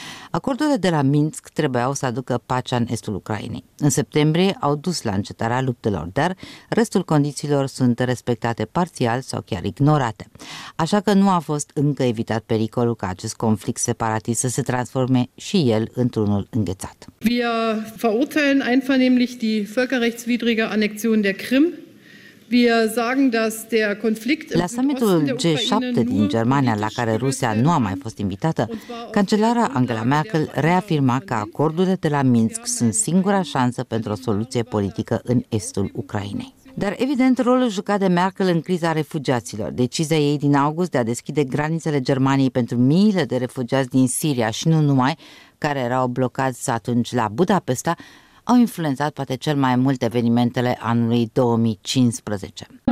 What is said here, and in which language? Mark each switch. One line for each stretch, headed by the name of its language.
Romanian: Acordurile de la Minsk trebuiau să aducă pacea în estul Ucrainei. În septembrie au dus la încetarea luptelor, dar restul condițiilor sunt respectate parțial sau chiar ignorate. Așa că nu a fost încă evitat pericolul ca acest conflict separatist să se transforme și el într-unul înghețat.
German: Wir verurteilen einvernehmlich die völkerrechtswidrige Annexion der Krim.
Romanian: La summitul G7 din Germania, la care Rusia nu a mai fost invitată, cancelara Angela Merkel reafirma că acordurile de la Minsk sunt singura șansă pentru o soluție politică în estul Ucrainei. Dar evident, rolul jucat de Merkel în criza refugiaților, decizia ei din august de a deschide granițele Germaniei pentru miile de refugiați din Siria și nu numai, care erau blocați atunci la Budapesta, au influențat poate cel mai mult evenimentele anului 2015.